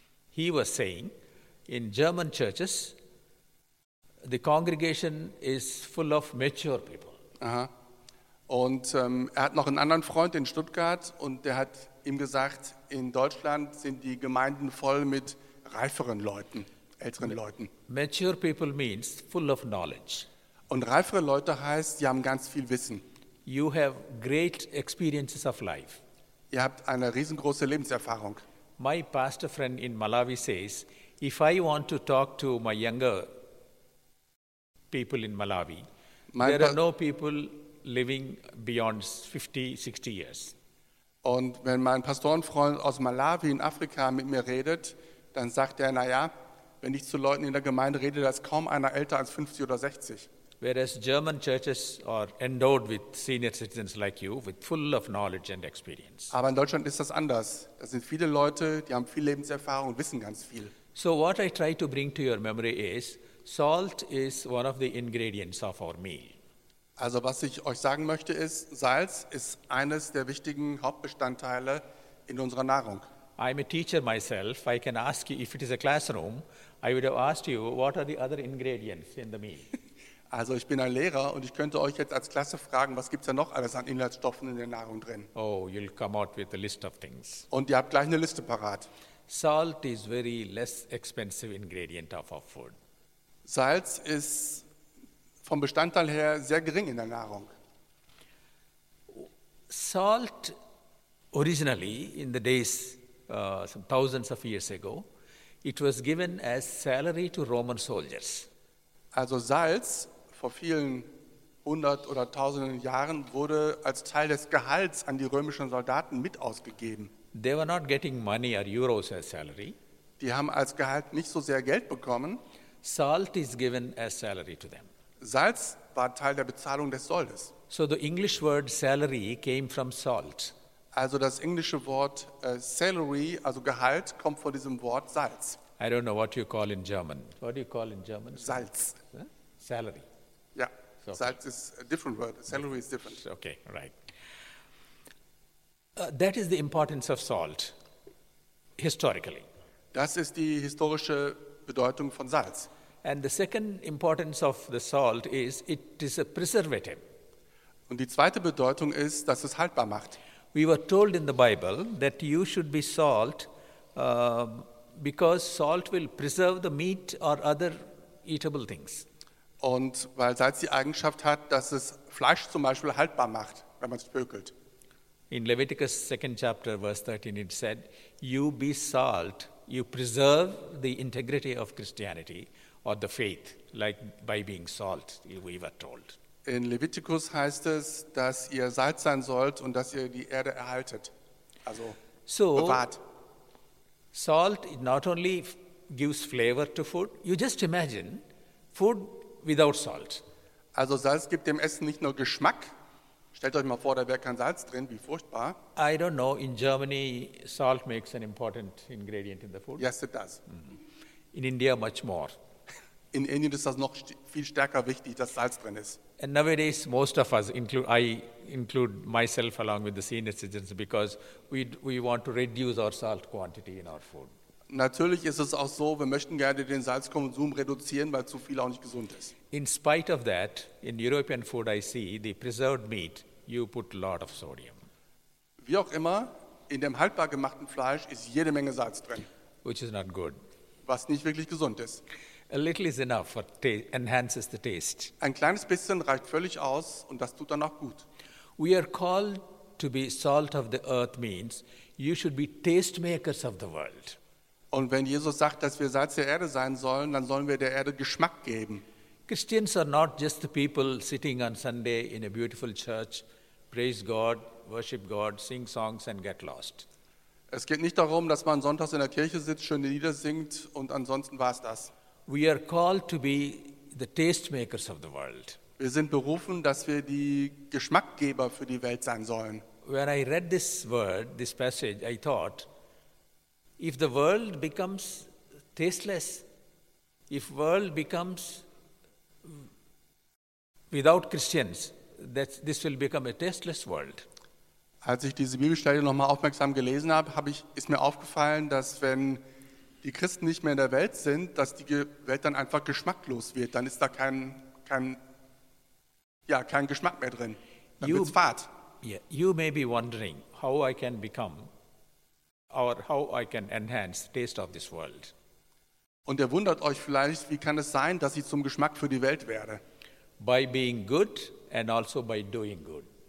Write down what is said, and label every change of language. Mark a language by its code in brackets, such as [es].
[en] He was saying, in German churches, the congregation is full of mature people. Aha. [de] Und er hat noch einen anderen Freund in Stuttgart und der hat ihm gesagt, in Deutschland sind die Gemeinden voll mit reiferen Leuten, älteren Leuten. [en] Mature people means full of knowledge. [de] Und reifere Leute heißt, sie haben ganz viel Wissen. [en] You have great experiences of life. [de] Ihr habt eine riesengroße Lebenserfahrung. [en] My pastor friend in Malawi says, if I want to talk to my younger people in Malawi, there are no people living beyond 50, 60 years. [de] Und wenn mein Pastorenfreund aus Malawi in Afrika mit mir redet, dann sagt er, naja, wenn ich zu Leuten in der Gemeinde rede, da ist kaum einer älter als 50 oder 60. [en] Whereas German churches are endowed with senior citizens like you, with full of knowledge and experience. [de] Aber in Deutschland ist das anders. Da sind viele Leute, die haben viel Lebenserfahrung und wissen ganz viel. [en] So what I try to bring to your memory is, salt is one of the ingredients of our meal. [de] Also was ich euch sagen möchte ist, Salz ist eines der wichtigen Hauptbestandteile in unserer Nahrung. [en] I'm a teacher myself. I can ask you, if it is a classroom, I would have asked you, what are the other ingredients in the meal? [de] Also ich bin ein Lehrer und ich könnte euch jetzt als Klasse fragen, was gibt es da noch alles an Inhaltsstoffen in der Nahrung drin? [en] Oh, you'll come out with a list of things. [de] Und ihr habt gleich eine Liste parat. [en] Salt is very less expensive ingredient of our food. [de] Salz ist vom Bestandteil her sehr gering in der Nahrung. [en] Salt originally in the days some thousands of years ago, it was given as salary to Roman soldiers. [de] Also Salz vor vielen hundert oder tausenden Jahren wurde als Teil des Gehalts an die römischen Soldaten mit ausgegeben. [en] They were not getting money or euros as salary. [de] Die haben als Gehalt nicht so sehr Geld bekommen. [en] Salt is given as salary to them. [de] Salz war Teil der Bezahlung des Soldes. [en] So the English word salary came from salt. [de] Also das englische Wort salary, also Gehalt, kommt von diesem Wort Salz. [en] I don't know what you call in German. What do you call in German? [de] Salz. [en] Salary. Yeah. So, Salz is a different word. Salary is different. Okay, right. That is the importance of salt, historically. [de] Das ist die historische Bedeutung von Salz. [en] And the second importance of the salt is it is a preservative. [de] Und die zweite Bedeutung ist, dass es haltbar macht. [en] We were told in the Bible that you should be salt because salt will preserve the meat or other eatable things. [de] Und weil Salz die Eigenschaft hat, dass es Fleisch zum Beispiel haltbar macht, wenn man es pökelt. [en] In Leviticus 2 chapter verse 13 it said, you be salt, you preserve the integrity of Christianity or the faith, like by being salt, we were told. [de] In Leviticus heißt es, dass ihr Salz sein sollt und dass ihr die Erde erhaltet, also so, bewahrt. [en] Salt not only gives flavor to food, you just imagine food without salt. [de] Also Salz gibt dem Essen nicht nur Geschmack. Stellt euch mal vor, da wäre kein Salz drin, wie furchtbar. [en] I don't know, in Germany salt makes an important ingredient in the food. Yes, it does. In India much more. [de] In Indien ist das noch viel stärker wichtig, dass Salz drin ist. [en] And nowadays most of us, I include myself along with the senior citizens, because we want to reduce our salt quantity in our food. [de] Natürlich ist es auch so, wir möchten gerne den Salzkonsum reduzieren, weil zu viel auch nicht gesund ist. [en] In spite of that, in European food I see, the preserved meat, you put a lot of sodium. [de] Wie auch immer, in dem haltbar gemachten Fleisch ist jede Menge Salz drin. [en] Which is not good. [de] Was nicht wirklich gesund ist. [en] A little is enough for enhances the taste. [de] Ein kleines bisschen reicht völlig aus und das tut dann auch gut. [en] We are called to be salt of the earth means you should be taste makers of the world. [de] Und wenn Jesus sagt, dass wir Salz der Erde sein sollen, dann sollen wir der Erde Geschmack geben. [en] Christians are not just the people sitting on Sunday in a beautiful church, praise God, worship God, sing songs and get lost. [de] Es geht nicht darum, dass man sonntags in der Kirche sitzt, schöne Lieder singt und ansonsten war es das. [en] We are called to be the taste makers of the world. [de] Wir sind berufen, dass wir die Geschmackgeber für die Welt sein sollen. [en] When I read this word, this passage, I thought, if the world becomes tasteless, if world becomes without Christians, this will become a tasteless world. [de] Als ich diese Bibelstelle noch mal aufmerksam gelesen habe, ist mir aufgefallen, dass wenn die Christen nicht mehr in der Welt sind, dass die Welt dann einfach geschmacklos wird. Dann ist da kein Geschmack mehr drin. Dann wird's fad. [en] Yeah, you may be wondering how I can become or how I can enhance the taste of this world. [de] Und ihr wundert euch vielleicht, wie kann es sein, dass ich zum Geschmack für die Welt werde? [en] By being good and also by doing good.